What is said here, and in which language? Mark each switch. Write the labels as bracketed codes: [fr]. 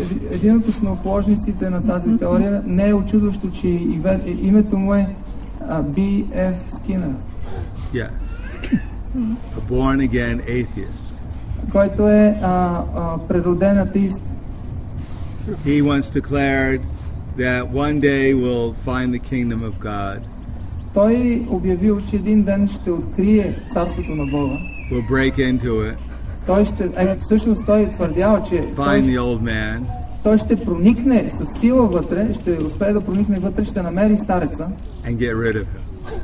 [bg] Един от основоположниците на тази теория, не е очудващо, че името му е B.F. Skinner. [en] Yes. A born again atheist. [bg] Който е природен атеист. [en] He once declared that one day we'll find the kingdom of God. [bg] Той обявил, че един ден ще открие царството на Бога. [en] We'll break into it. [bg] Той ще, всъщност той твърдял, че [en] find the old man. [bg] Той ще проникне със сила вътре, ще успее да проникне вътре, ще намери стареца. [en] And get rid of him.